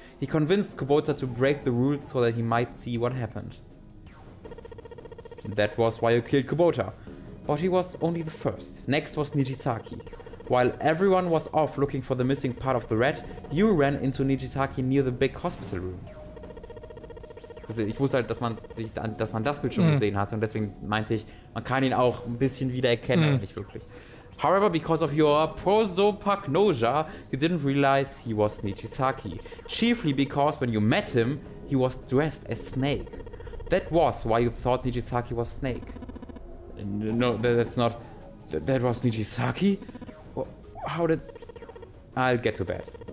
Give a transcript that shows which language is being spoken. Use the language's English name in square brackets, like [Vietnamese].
[English] He convinced Kubota to break the rules so that he might see what happened. That was why you killed Kubota. But he was only the first. Next was Nijisaki. While everyone was off looking for the missing part of the rat, you ran into Nijisaki near the big hospital room. [German] Ich wusste halt, dass man das Bild schon gesehen hat und deswegen meinte ich, man kann ihn auch ein bisschen wiedererkennen, eigentlich wirklich. [English] However, because of your prosopagnosia, you didn't realize he was Nijisaki. Chiefly because when you met him, he was dressed as Snake. That was why you thought Nijisaki was Snake. No, that's not... That was Nijisaki? How did... I'll get to that.